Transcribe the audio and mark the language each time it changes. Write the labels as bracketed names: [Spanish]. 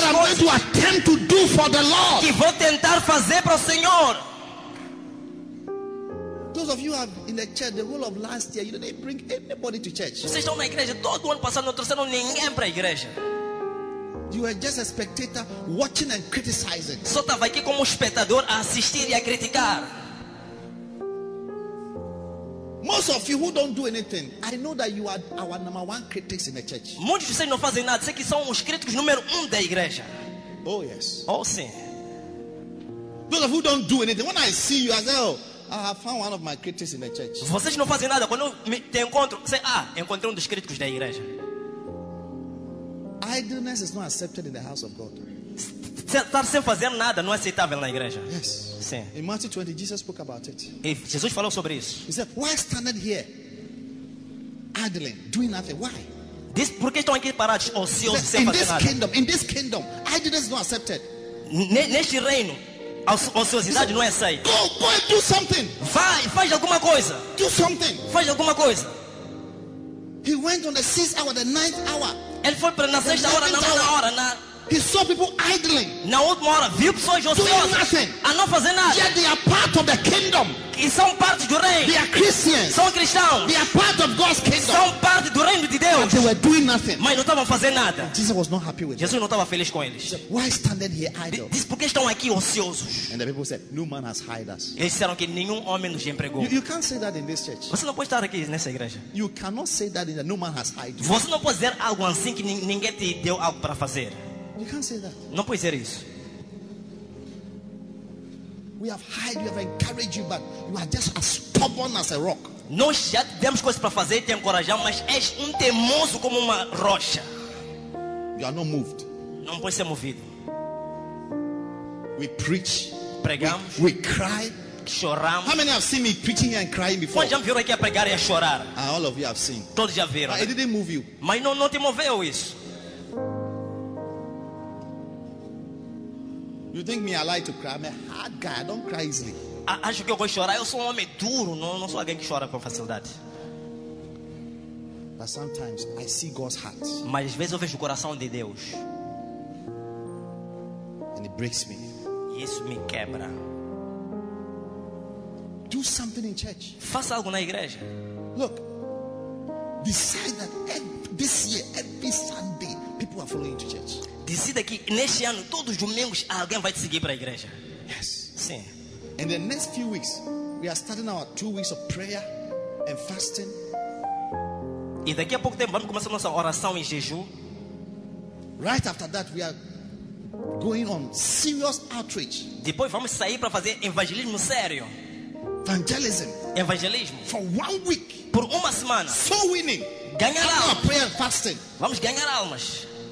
[English] that I'm going to attempt to do for the Lord. [Portuguese] Que vou tentar fazer para o Senhor. [English] Those of you who are in the church the whole of last year, you didn't bring anybody to church. [Portuguese] Vocês estão na igreja todo ano passado, não trouxeram ninguém para a igreja. [English] You were just a spectator watching and criticizing. [Portuguese] Só estava aqui como espectador a assistir e a criticar. [English] Most of you who don't do anything, I know that you are our number one critics in the church. [Portuguese] Muitos de vocês não fazem nada, sei que são os críticos número um da igreja. [English] Oh yes. [Portuguese] Oh sim. [English] Those of you who don't do anything, when I see you, I say, oh, I have found one of my critics in the church. [Portuguese] Vocês não fazem nada quando eu te encontro, sei, ah, encontrei dos críticos da igreja. [English] Idleness is not accepted in the house of God. [Portuguese] Estar sem fazer nada não é aceitável na igreja. [English] Yes. [Portuguese] Sim. [English] In Matthew 20, Jesus spoke about it. [Portuguese] E Jesus falou sobre isso. [English] He said, why standing here, idling, doing nothing? Why? This, [Portuguese] por que estão aqui parados, ociosos, sem [English] in [Portuguese] fazer [English] this [Portuguese] nada? [English] Kingdom, in this kingdom, idleness is not accepted. [Portuguese] Neste reino, a ociosidade não é aceita. [English] Go and do something. [Portuguese] Vai, faz alguma coisa. [English] Do something. [Portuguese] Faz alguma coisa. [English] He went on the sixth hour, the ninth hour. [Portuguese] Ele foi para na sexta hora, na nona hora, na. [English] He saw people idling. [Portuguese] Na última hora, viu pessoas ociosas. [English] Doing [Portuguese] a não fazer nada. [English] Yet they are part of the kingdom. [Portuguese] E são parte do reino. [English] They are Christians. [Portuguese] São cristãos. [English] They are part of God's kingdom. [Portuguese] São parte do reino de Deus. [English] But they were doing nothing. [Portuguese] Mas não estavam fazendo nada. [English] Jesus was not happy with them. [Portuguese] Jesus não estava feliz com eles. [English] Said, why standing here idle? [Portuguese] Diz, por que estão aqui ociosos? [English] And the people said, no man has hired us. [Portuguese] Eles disseram que nenhum homem nos empregou. [English] You can't say that in this church. [Portuguese] Você não pode estar aqui nessa igreja. [English] You cannot say that in the no man has hired you. [Portuguese] Você não pode dizer algo assim que ninguém te deu algo para fazer. [English] You can't say that. [Portuguese] Não pode dizer isso. [English] We have hired, we have encouraged you, but you are just as stubborn as a rock. [Portuguese] Nós já demos coisas para fazer e te encorajamos, mas és teimoso como uma rocha. [English] You are not moved. [Portuguese] Não pode ser movido. [English] We preach. [Portuguese] Pregamos. [English] We cry. [Portuguese] Choramos. [English] How many have seen me preaching and crying before? [Portuguese] Quantos já viram aqui a pregar e a chorar? [English] All of you have seen. [Portuguese] Todos já viram. [English] I didn't move you. [Portuguese] Mas não te moveu isso. [English] You think me I like to cry? I'm a hard guy. I don't cry easily. [Portuguese] Acho que eu vou chorar. Eu sou homem duro. Não sou alguém que chora com facilidade. [English] But sometimes I see God's heart. [Portuguese] Mas às vezes eu vejo o coração de Deus. [English] And it breaks me. [Portuguese] Isso me quebra. [English] Do something in church. [Portuguese] Faça algo na igreja. [English] Look. Decide that this year, every Sunday, people are following to church. [Portuguese] Decida que neste ano todos os domingos alguém vai te seguir para a igreja. [English] Yes. [Portuguese] Sim. [English] In the next few weeks, we are starting our 2 weeks of prayer and fasting. [Portuguese] E daqui a pouco tempo vamos começar nossa oração em jejum. [English] Right after that, we are going on serious outreach. [Portuguese] Depois vamos sair para fazer evangelismo sério. [English] Evangelism. [Portuguese] Evangelismo. [English] For 1 week. [Portuguese] Por uma semana. [English] Soul winning. [Portuguese] Ganhar almas. [English] Prayer and fasting. [Portuguese] Vamos ganhar almas.